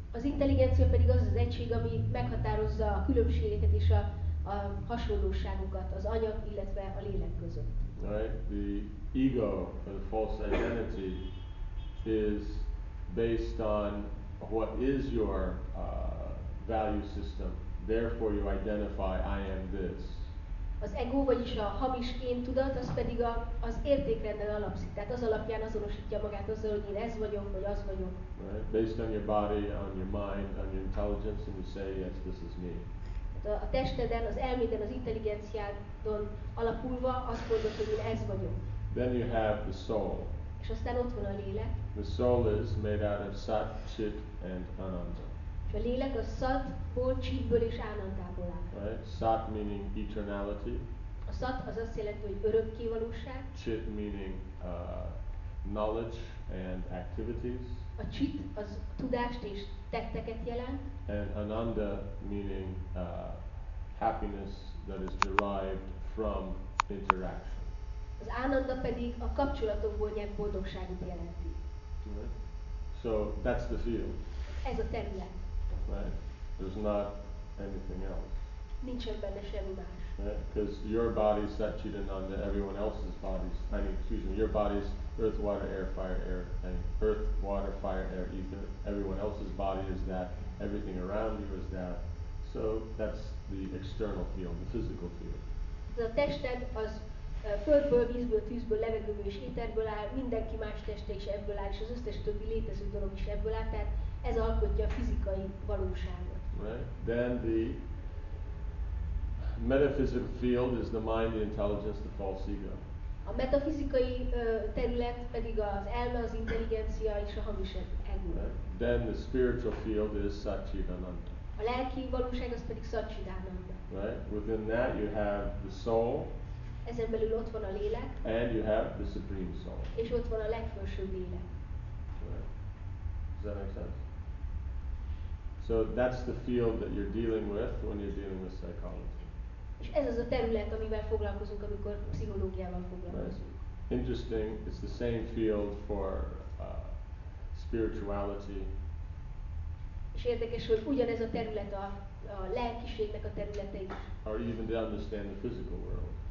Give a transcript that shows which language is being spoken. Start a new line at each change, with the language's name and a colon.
Hungarian: Az intelligencia pedig az az egység, ami meghatározza a különbségeket és a hasonlóságokat az anyag, illetve a lélek között.
English: Right, the ego, or the false identity, is based on what is your value system. Therefore you identify, I am this.
Hungarian: Az ego, vagyis a hamis én tudat, az pedig az értékrenden alapszik. Tehát az alapján azonosítja magát azzal, hogy én ez vagyok, vagy az vagyok.
English: Right. Based on your body, on your mind, on your intelligence, and you say, yes, this is me.
Hungarian: A testeden, az elméden, az intelligenciádon alapulva azt mondod, hogy én ez vagyok.
English: Then you have the soul.
Hungarian: És aztán ott van a lélek.
English: The soul is made out of sat, chit and ananda.
Hungarian: És a lélek a sat, hol, chitből és anandából áll.
English: Right? Sat meaning eternality.
Hungarian: A sat az azt jelenti, hogy örökkévalóság.
English: Chit meaning knowledge and activities.
Hungarian: A chit az tudást és tetteket jelent.
English: And ananda meaning happiness that is derived from interaction.
Hungarian: Az ananda pedig a kapcsolatokból nyert boldogságot jelenti.
English: So that's the field.
Hungarian: Ez a terület.
English: Right. There's not anything else.
Hungarian: Nincsen benne semmi más.
English: Because right? Your body is sat, chit, ananda, everyone else's bodies. I mean, excuse me, your body is earth, water, air, fire, air, and earth, water, fire, air, ether. Everyone else's body is that. Everything around you is that. So that's the external field, the physical field.
Hungarian: A tested az földből, vízből, tűzből, levegőből és éterből áll, mindenki más teste is ebből áll, és az összes többi létező dolog is ebből áll, tehát ez alkotja a fizikai valóságot.
English: Right. Then the metaphysical field is the mind, the intelligence, the false ego.
Hungarian: A metafizikai terület pedig az elme, az intelligencia és a hamis ego.
English: Right. Then the spiritual field is Satchidananda.
Hungarian: A lelki valóság az pedig Satchidananda.
English: Right. Within that you have the soul.
Hungarian: Ezen belül ott van a lélek.
English: And you have the supreme soul.
Hungarian: És ott van a legfelsőbb lélek.
English: Right. Does that make sense? So that's the field that you're dealing with when you're dealing with psychology.
Hungarian: És ez az a terület, amivel foglalkozunk, amikor pszichológiával foglalkozunk.
English: Right. Interesting, it's the same field for spirituality.
Hungarian: És érdekes, hogy ugyanez a terület a lelkiségnek a területe is.
English: Or even to understand the physical world.